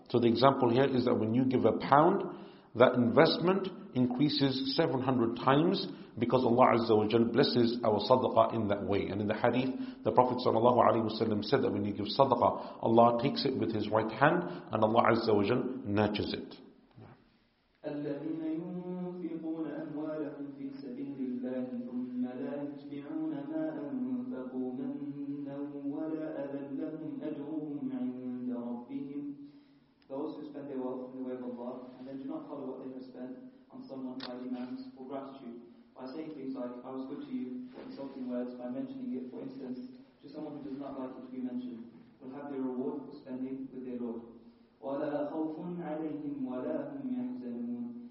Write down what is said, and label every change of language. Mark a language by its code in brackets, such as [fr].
[en] So the example here is that when you give a pound, that investment increases 700 times because Allah Azza wa Jal blesses our sadaqah in that way. And in the hadith, the Prophet Sallallahu Alaihi Wasallam said that when you give sadaqah, Allah takes it with His right hand and Allah Azza wa Jal nurtures it. [ar] الذين ينفقون أموالهم في سبيل الله ثم لا يتبعون ما أنفقوا منا ولا أذى لهم أجرهم عند ربهم. [en] Those who spend their wealth in the way of Allah and then do not follow what they have spent on someone by demands or gratitude, by saying things like, I was good to you, or insulting words, by mentioning it, for instance, to someone who does not like it to be mentioned, will have their reward for spending with their Lord. [ar] وَلَا خَوْفٌ عَلَيْهِمْ وَلَا هُمْ يَحْزَنُونَ.